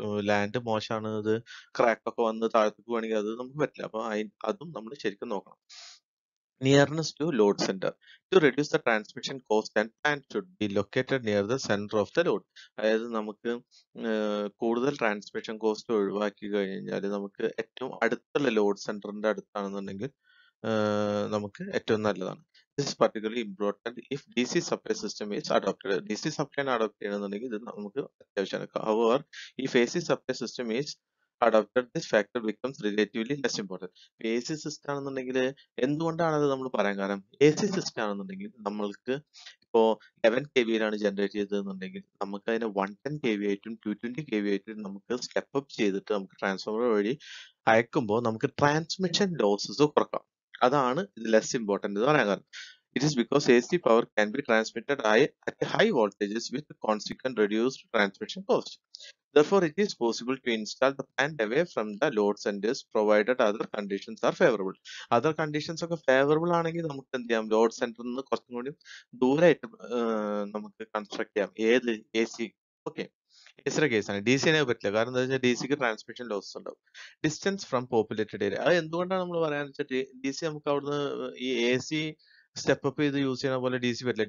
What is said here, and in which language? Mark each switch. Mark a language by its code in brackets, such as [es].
[ml] Land മോശമാണ്, അത് ക്രാക്കൊക്കെ വന്ന് താഴത്തേക്ക് വേണമെങ്കിൽ അത് നമുക്ക് പറ്റില്ല. അപ്പൊ അതും നമ്മൾ ശരിക്കും നോക്കണം. [en] Nearness to load center to reduce the transmission cost and plant should be located near the center of the load. [ml] അതായത് നമുക്ക് കൂടുതൽ ട്രാൻസ്മിഷൻ കോസ്റ്റ് ഒഴിവാക്കി കഴിഞ്ഞാൽ നമുക്ക് ഏറ്റവും അടുത്തുള്ള ലോഡ് സെന്ററിന്റെ അടുത്താണെന്നുണ്ടെങ്കിൽ നമുക്ക് ഏറ്റവും നല്ലതാണ്. [en] This particular important if D C supply system is adopted. [ml] D C supply adopt ചെയ്യണമെന്നുണ്ടെങ്കിൽ ഇത് നമുക്ക് അത്യാവശ്യമാണ്. [en] However if A C supply system is adopted this factor becomes relatively less important. [ml] A C system ആണെന്നുണ്ടെങ്കിൽ എന്തുകൊണ്ടാണ് അത് നമ്മൾ പറയാൻ കാരണം, എ സി സിസ്റ്റം ആണെന്നുണ്ടെങ്കിൽ നമ്മൾക്ക് ഇപ്പോൾ 11 KV ജനറേറ്റ് ചെയ്തതെന്നുണ്ടെങ്കിൽ നമുക്ക് അതിനെ 110 KV ആയിട്ടും 220 KV ആയിട്ടും നമുക്ക് സ്റ്റെപ്പ് അപ്പ് ചെയ്തിട്ട് നമുക്ക് ട്രാൻസ്ഫോമർ വഴി അയക്കുമ്പോൾ നമുക്ക് ട്രാൻസ്മിഷൻ ലോസസ് കുറക്കാം. അതാണ് ഇത് ലെസ് ഇമ്പോർട്ടൻ്റ് എന്ന് പറയാൻ കാരണം. [en] It is because A C power can be transmitted I at high voltages with consequent reduced transmission cost. Therefore, it is possible to install the plant away from the load centers provided other conditions are favorable. [ml] Other conditions ഒക്കെ favorable ആണെങ്കിൽ നമുക്ക് എന്ത് ചെയ്യാം, load സെന്ററിൽ നിന്ന് കുറച്ചും കൂടി ദൂരമായിട്ട് നമുക്ക് കൺസ്ട്രക്ട് ചെയ്യാം. ഏത് എ സി, ഓക്കെ എസിന്റെ കേസ് ആണ്. ഡി സിനെ പറ്റില്ല, കാരണം എന്താ വെച്ചാൽ ഡി സിക്ക് ട്രാൻസ്മിഷൻ ലോസസ് ഉണ്ടാവും. [en] distance from populated area, [ml] അത് എന്തുകൊണ്ടാണ് നമ്മൾ പറയാന്ന് വെച്ചാൽ ഡി സി നമുക്ക് അവിടുന്ന് ഈ എ സി സ്റ്റെപ്പ് അപ്പ് ചെയ്ത് യൂസ് ചെയ്യുന്ന പോലെ ഡി സി പറ്റില്ല.